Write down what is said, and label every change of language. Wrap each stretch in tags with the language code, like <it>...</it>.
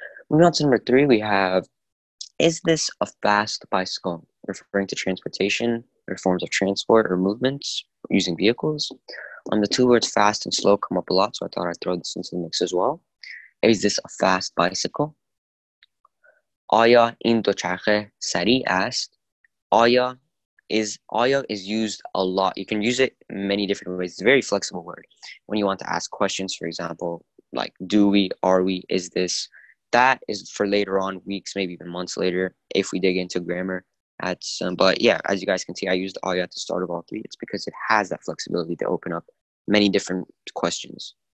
<en>Moving on to number three, we have, is this a fast bicycle? Referring to transportation, or forms of transport, or movements using vehicles. The two words fast and slow come up a lot, so I thought I'd throw this into the mix as well. Is this a fast bicycle?</en> <fa>آیا این دوچرخه سریع است؟ آیا</fa> <en>is used a lot. You can use it many different ways. It's a very flexible word. When you want to ask questions, for example, like, do we, are we, is this? That is for later on, weeks, maybe even months later, if we dig into grammar. But yeah, as you guys can see, I used آیا at the start of all three. It's because it has that flexibility to open up many different questions.</en>